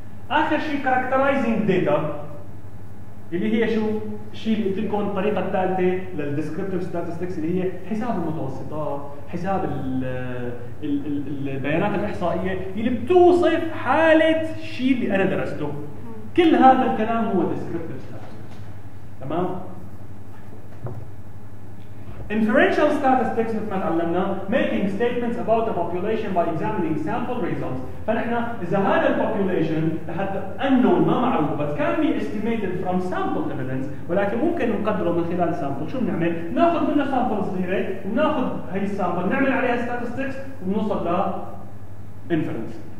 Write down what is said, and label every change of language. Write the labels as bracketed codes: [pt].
[ar] اخر شيء كاركترايزنج داتا اللي هي شو؟ الشيء اللي قلت لكم الطريقه الثالثه للديسكربتيف ستاتستكس اللي هي حساب المتوسطات، حساب البيانات الاحصائيه اللي بتوصف حاله الشيء اللي انا درسته. كل هذا الكلام هو ديسكربتيف. تمام. [en] inferential statistics [ar] مثل ما تعلمنا [en] making statements about a population by examining sample results. [ar] فنحن إذا هذا population لحد unknown ما معروف [en] but can be estimated from sample evidence [ar] ولكن ممكن نقدره من خلال sample، شو بنعمل؟ نأخذ منها sample صغيرة ونأخذ هاي sample نعمل عليها statistics ونوصل ل inference.